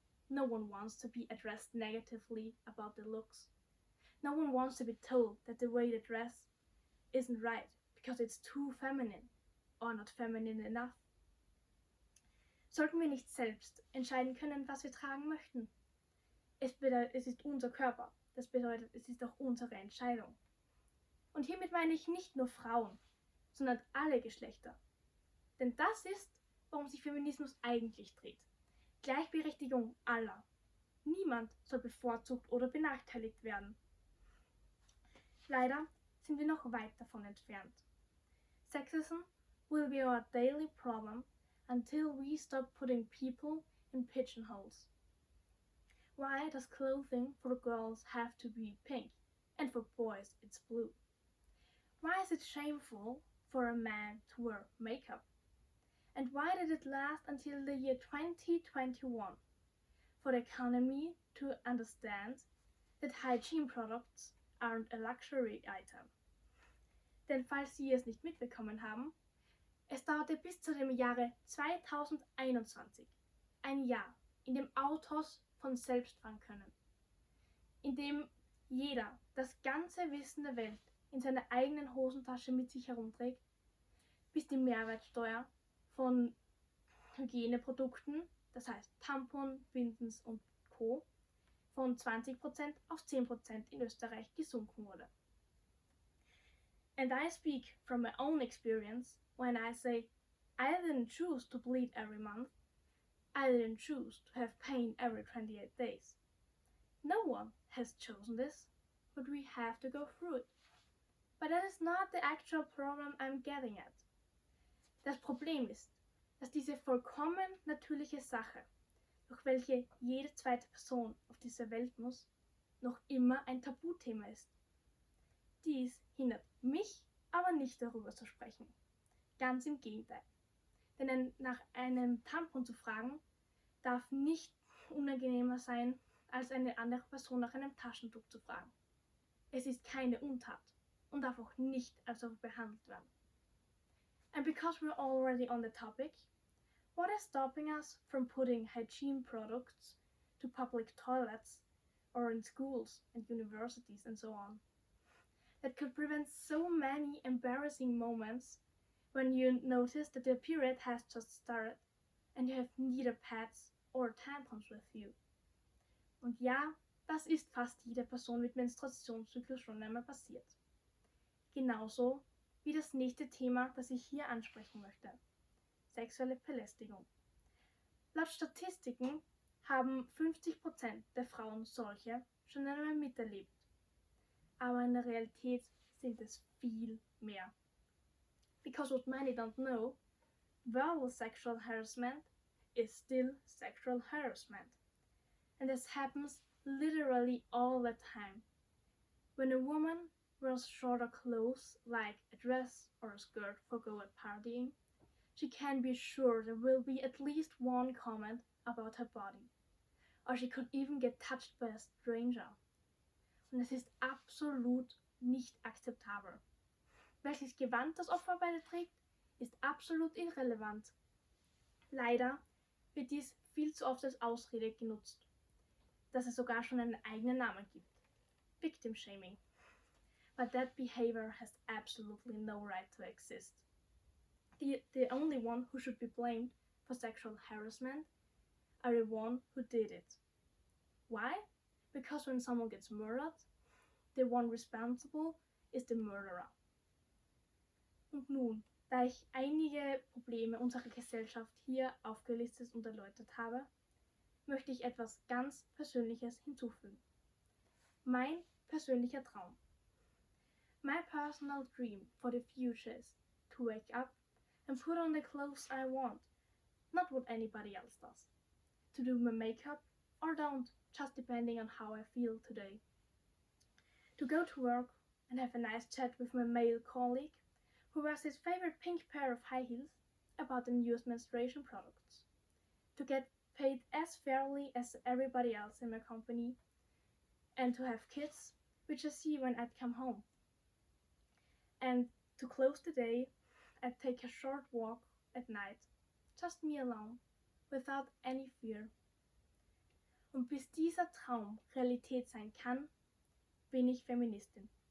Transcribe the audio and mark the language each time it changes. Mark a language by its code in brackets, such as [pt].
[en] No one wants to be addressed negatively about their looks. No one wants to be told that the way they dress isn't right because it's too feminine or not feminine enough. [de] Sollten wir nicht selbst entscheiden können, was wir tragen möchten? Es ist unser Körper. Das bedeutet, es ist auch unsere Entscheidung. Und hiermit meine ich nicht nur Frauen, sondern alle Geschlechter. Denn das ist, worum sich Feminismus eigentlich dreht. Gleichberechtigung aller. Niemand soll bevorzugt oder benachteiligt werden. Leider sind wir noch weit davon entfernt. [en] Sexism will be our daily problem until we stop putting people in pigeonholes. Why does clothing for girls have to be pink and for boys it's blue? Why is it shameful for a man to wear makeup? And why did it last until the year 2021 for the economy to understand that hygiene products aren't a luxury item? [de] Denn falls Sie es nicht mitbekommen haben, es dauerte bis zu dem Jahre 2021, ein Jahr, in dem Autos von selbst fahren können, in dem jeder das ganze Wissen der Welt in seiner eigenen Hosentasche mit sich herumträgt, bis die Mehrwertsteuer von Hygieneprodukten, das heißt Tampon, Bindens und Co., von 20% auf 10% in Österreich gesunken wurde. [en] And I speak from my own experience when I say, I didn't choose to bleed every month. I didn't choose to have pain every 28 days. No one has chosen this, but we have to go through it. But that is not the actual problem I'm getting at. [de] Das Problem ist, dass diese vollkommen natürliche Sache, durch welche jede zweite Person auf dieser Welt muss, noch immer ein Tabuthema ist. Dies hindert mich aber nicht, darüber zu sprechen. Ganz im Gegenteil. Denn nach einem Tampon zu fragen, darf nicht unangenehmer sein, als eine andere Person nach einem Taschentuch zu fragen. Es ist keine Untat und darf auch nicht als solche behandelt werden. [en] And because we're already on the topic, what is stopping us from putting hygiene products to public toilets or in schools and universities and so on? That could prevent so many embarrassing moments when you notice that your period has just started and you have neither pads or tampons with you. [de] Und ja, das ist fast jeder Person mit Menstruationszyklus schon einmal passiert. Genauso wie das nächste Thema, das ich hier ansprechen möchte. Sexuelle Belästigung. Laut Statistiken haben 50% der Frauen solche schon einmal miterlebt. Aber in der Realität sind es viel mehr. [en] Because what many don't know, verbal sexual harassment is still sexual harassment. And this happens literally all the time. When a woman wears shorter clothes, like a dress or a skirt for going partying, she can be sure there will be at least one comment about her body. Or she could even get touched by a stranger. [de] Und es ist absolut nicht akzeptabel. Welches Gewand das Opfer bei dir trägt, ist absolut irrelevant. Leider wird dies viel zu oft als Ausrede genutzt, dass es sogar schon einen eigenen Namen gibt. [en] Victim Shaming. But that behavior has absolutely no right to exist. The only one who should be blamed for sexual harassment are the one who did it. Why? Because when someone gets murdered, the one responsible is the murderer. [de] Und nun, da ich einige Probleme unserer Gesellschaft hier aufgelistet und erläutert habe, möchte ich etwas ganz Persönliches hinzufügen. Mein persönlicher Traum. [en] My personal dream for the future is to wake up and put on the clothes I want, not what anybody else does. To do my makeup or don't, just depending on how I feel today. To go to work and have a nice chat with my male colleague who wears his favorite pink pair of high heels about the newest menstruation products. To get paid as fairly as everybody else in my company and to have kids, which I see when I come home. And to close the day, I'd take a short walk at night, just me alone, without any fear. [de] Und bis dieser Traum Realität sein kann, bin ich Feministin.